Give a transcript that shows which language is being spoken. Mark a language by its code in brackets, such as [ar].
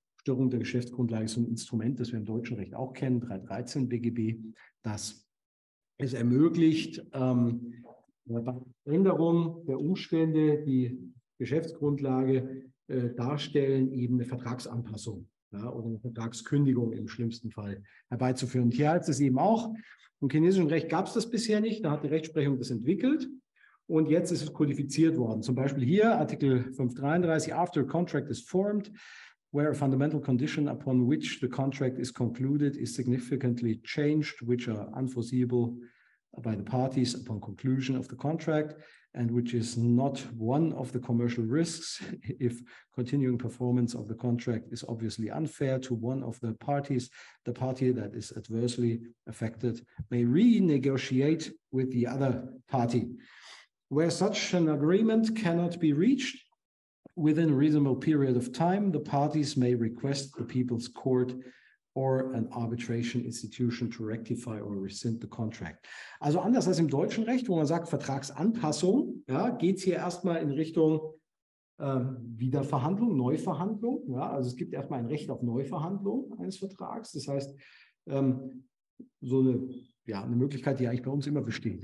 [de] Störung der Geschäftsgrundlage ist ein Instrument, das wir im deutschen Recht auch kennen, 313 BGB, das es ermöglicht, bei Änderung der Umstände, die Geschäftsgrundlage darstellen, eben eine Vertragsanpassung, ja, oder eine Vertragskündigung im schlimmsten Fall herbeizuführen. Und hier heißt es eben auch, im chinesischen Recht gab es das bisher nicht, da hat die Rechtsprechung das entwickelt und jetzt ist es kodifiziert worden. Zum Beispiel hier, Artikel 533, [en] after a contract is formed, where a fundamental condition upon which the contract is concluded is significantly changed, which are unforeseeable by the parties upon conclusion of the contract and which is not one of the commercial risks if continuing performance of the contract is obviously unfair to one of the parties. The party that is adversely affected may renegotiate with the other party. Where such an agreement cannot be reached within a reasonable period of time, the parties may request the People's Court or an arbitration institution to rectify or rescind the contract. [de] Also anders als im deutschen Recht, wo man sagt Vertragsanpassung, ja, geht es hier erstmal in Richtung Wiederverhandlung, Neuverhandlung. Ja, also es gibt erstmal ein Recht auf Neuverhandlung eines Vertrags. Das heißt, eine Möglichkeit, die eigentlich bei uns immer besteht.